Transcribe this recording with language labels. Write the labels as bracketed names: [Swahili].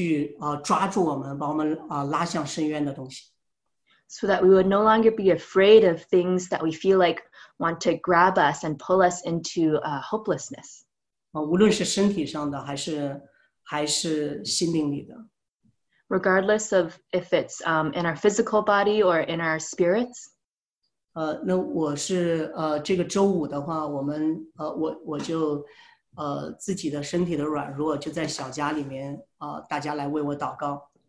[Chinese] 好像要去抓住我们，把我们拉向深渊的东西。 [English] So that we would no longer be afraid of things that we feel like want to grab us and pull us into hopelessness. [Chinese] 无论是身体上的还是心灵里的。 [English] Regardless of if it's in our physical body or in our spirits. [Chinese] 那我是这个周五的话，我们我就自己的身体的软弱，就在小家里面大家来为我祷告。